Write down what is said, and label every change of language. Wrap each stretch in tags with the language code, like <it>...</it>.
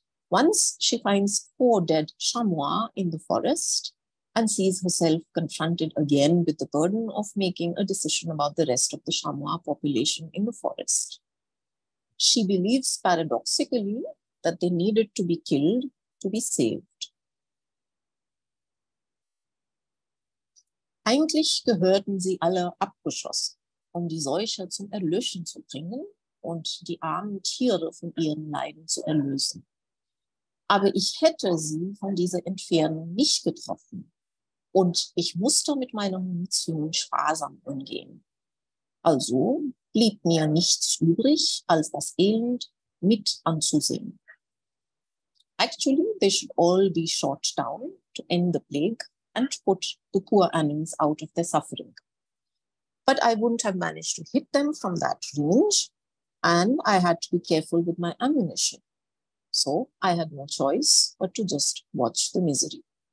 <en>Once she finds four dead chamois in the forest and sees herself confronted again with the burden of making a decision about the rest of the chamois population in the forest. She believes paradoxically that they needed to be killed to be saved.</en> <de>Eigentlich gehörten sie alle abgeschossen, um die Seuche zum Erlöschen zu bringen und die armen Tiere von ihren Leiden zu erlösen. Aber ich hätte sie von dieser Entfernung nicht getroffen und ich musste mit meiner Munition sparsam umgehen. Also blieb mir nichts übrig, als das Elend mit anzusehen.</de> <en>Actually, they should all be shot down to end the plague and put the poor animals out of their suffering. But I wouldn't have managed to hit them from that range, and I had to be careful with my ammunition. So I had no choice but to just watch the misery.</en>